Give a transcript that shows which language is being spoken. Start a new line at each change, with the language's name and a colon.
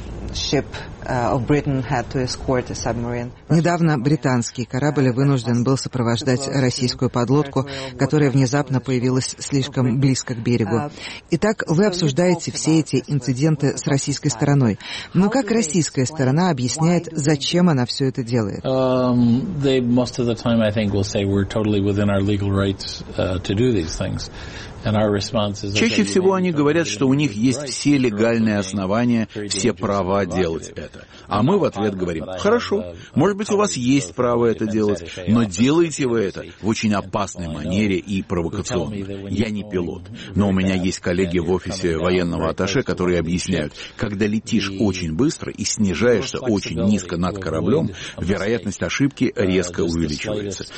Russian: Недавно британский корабль вынужден был сопровождать российскую подлодку, которая внезапно появилась слишком близко к берегу. Итак, вы обсуждаете все эти инциденты с российской стороной. Но как российская сторона объясняет, зачем она все это делает?
English: They most of the time, I think, will say we're totally within our legal rights to do these things.
Russian: Чаще всего они говорят, что у них есть все легальные основания, все права делать это. А мы в ответ говорим, хорошо, может быть, у вас есть право это делать, но делаете вы это в очень опасной манере и провокационно. Я не пилот, но у меня есть коллеги в офисе военного атташе, которые объясняют, когда летишь очень быстро и снижаешься очень низко над кораблем, вероятность ошибки резко увеличивается.